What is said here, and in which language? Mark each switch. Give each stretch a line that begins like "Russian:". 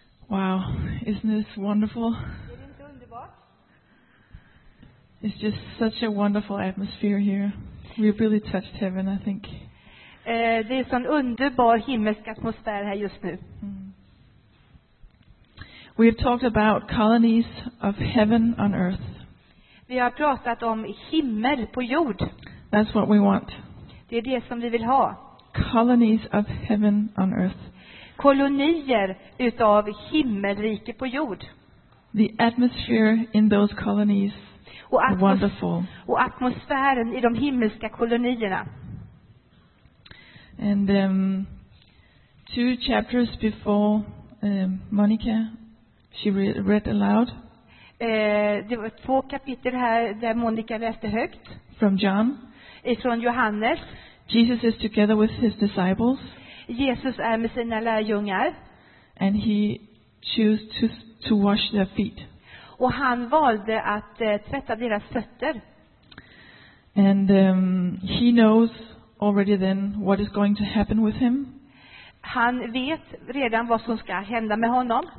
English: Wow, isn't this wonderful?
Swedish: Är det inte underbart?
English: It's just such a wonderful atmosphere here. We really touched heaven, I think.
Swedish: Det är en sån underbar himmelsk atmosfär här just nu.
English: We have talked about colonies of heaven on earth.
Swedish: Vi har pratat om himmel på jord.
English: That's what we want.
Swedish: Det är det som vi vill ha.
English: Colonies of heaven on earth.
Swedish: Kolonier utav himmelrike på jord.
English: The atmosphere in those colonies. Wonderful.
Swedish: Och atmosfären i de himmelska kolonierna.
English: And two chapters before Monica, she read aloud.
Swedish: Det var två kapitel här där Monica läste högt.
English: From John.
Swedish: Ifrån Johannes.
English: Jesus is together with his disciples.
Swedish: Jesus är med sina lärjungar.
English: And he chose to wash their feet.
Swedish: Och han valde att tvätta deras fötter.
English: And he knows already then what is going to happen with him.
Swedish: Han vet redan vad som ska hända med honom.